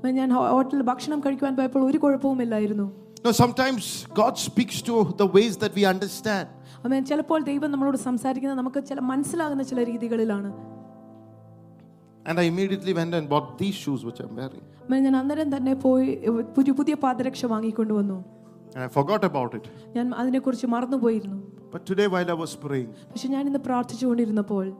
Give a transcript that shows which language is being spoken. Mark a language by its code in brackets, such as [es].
[ml] ഞാൻ ഹോട്ടലിൽ ഭക്ഷണം കഴിക്കാൻ പോയപ്പോൾ ഒരു കുഴപ്പവും ഇല്ലായിരുന്നു. [en] No, sometimes God speaks to the ways that we understand. Amen. [ml] ചിലപ്പോൾ ദൈവം നമ്മളോട് സംസാരിക്കുന്നത് നമുക്ക് ചില മനസ്സിലാകുന്ന ചില രീതികളിലാണ്. [en] And I immediately went and bought these shoes which I'm wearing. [ml] അമ്മ ഞാൻ അന്നേരം തന്നെ പോയി പുതിയ പാദരക്ഷ വാങ്ങിക്കൊണ്ടുവന്നു. [en] And I forgot about it. [ml] ഞാൻ അതിനെക്കുറിച്ച് മറന്നു പോയിരുന്നു. [en] But today while I was praying, [ml] പക്ഷേ ഞാൻ ഇന്ന് പ്രാർത്ഥിച്ചുകൊണ്ടിരുന്നപ്പോൾ,